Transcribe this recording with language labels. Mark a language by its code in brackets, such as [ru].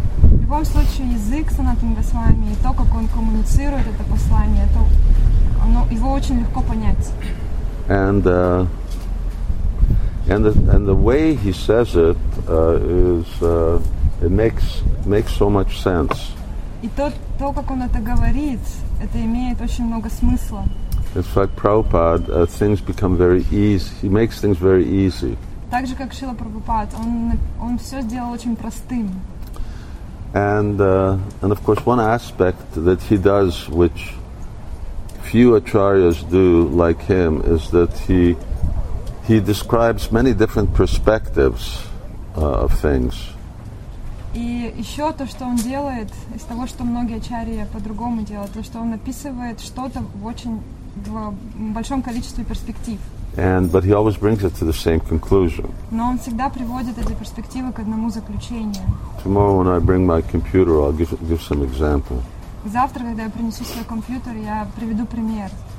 [ru] В любом случае, язык Санатана Госвами и то, как он коммуницирует это послание, то оно его очень легко понять. [en] And the way he says it makes so much sense. [ru] И то, как он это говорит, это имеет очень много смысла. [en] In fact, Prabhupada, things become very easy. He makes things very easy. [ru] Так же, как Шрила Прабхупад, он все сделал очень простым. [en] And of course, one aspect that he does, which few acharyas do like him, is that he describes many different perspectives of things. [ru] И еще то, что он делает, из того, что многие ачарьи по-другому делают, то, что он описывает что-то в очень большом количестве перспектив. [en] But he always brings it to the same conclusion. [ru] Но он всегда приводит эти перспективы к одному заключению. [en] Tomorrow, when I bring my computer, I'll give some example. [ru] Завтра, когда я принесу свой компьютер, я приведу пример.